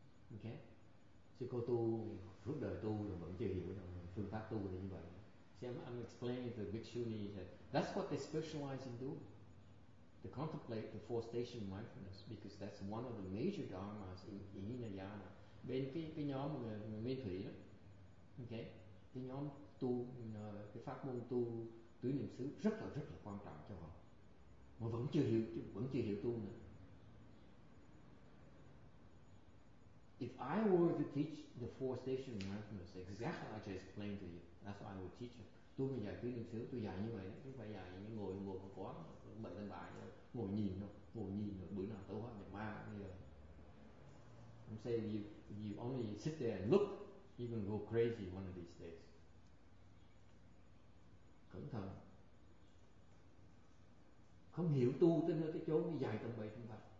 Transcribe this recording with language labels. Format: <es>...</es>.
<vi>Ok, chứ cô tu suốt đời tu rồi vẫn chưa hiểu được phương pháp tu là như vậy.</vi> <en>See, I'm explaining to the bhikshuni that that's what they specialize in doing, to contemplate the four station mindfulness, because that's one of the major dharmas in Hinayana.</en> <vi>Bên cái nhóm người Nguyên Thủy đó, okay, cái nhóm tu, cái pháp môn tu tứ niệm xứ rất là quan trọng cho họ, mà vẫn chưa hiểu tu nữa.</vi> <en>If I were to teach the four station mindfulness exactly like I explained to you, that's what I would teach them.</en> <vi>Tu mình dạy tứ niệm xứ, tôi dạy như vậy, chứ phải dạy như ngồi mà có bảy tên bài ngồi nhìn thôi, bữa nào tối hết nhà ma bây giờ.</vi> <en>I'm saying you only sit there and look, you're gonna go crazy one of these days.</en> <vi>Cẩn thận, không hiểu tu tới nơi tới chốn thì dạy tầm bậy tầm bạ.</vi>